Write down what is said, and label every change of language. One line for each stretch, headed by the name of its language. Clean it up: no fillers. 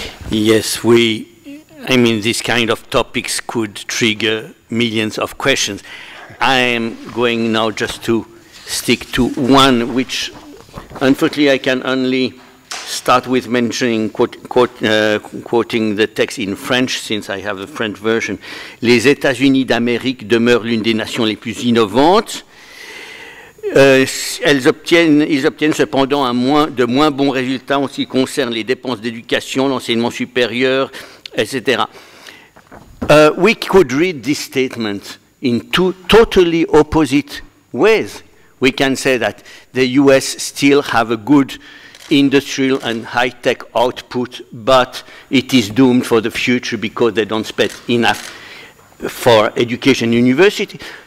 English: Yes, this kind of topics could trigger millions of questions. I am going now just to stick to one, which unfortunately I can only start with mentioning, quoting the text in French, since I have a French version.
French: Les États-Unis d'Amérique demeurent l'une des nations les plus innovantes. Ils obtiennent cependant de moins bons résultats en ce qui concerne les dépenses d'éducation, l'enseignement supérieur, etc.
English: We could read this statement in two totally opposite ways. We can say that the US still have a good industrial and high-tech output, but it is doomed for the future because they don't spend enough for education university.